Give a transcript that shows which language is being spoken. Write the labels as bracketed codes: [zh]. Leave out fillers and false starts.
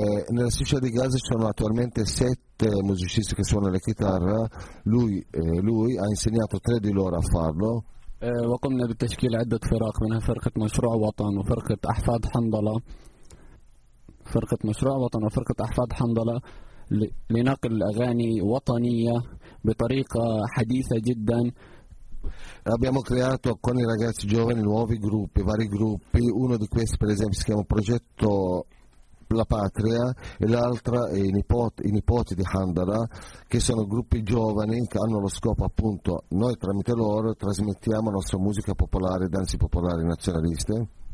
[it] Nella striscia di Gaza ci sono attualmente 7 musicisti che suonano la chitarra. Lui ha insegnato 3 di loro a farlo. [ar] وقمنا بتشكيل عدة فرق منها فرقة مشروع وطن وفرقة أحفاد حنظلة لنقل أغاني وطنية بطريقة حديثة جدا. [it] Abbiamo creato con i ragazzi giovani nuovi gruppi, vari gruppi. Uno di questi, per esempio, si chiama Progetto La Patria e l'altra è i nipoti di Handala, che sono gruppi giovani che hanno lo scopo appunto, noi tramite loro trasmettiamo la nostra musica popolare, danze popolari nazionaliste.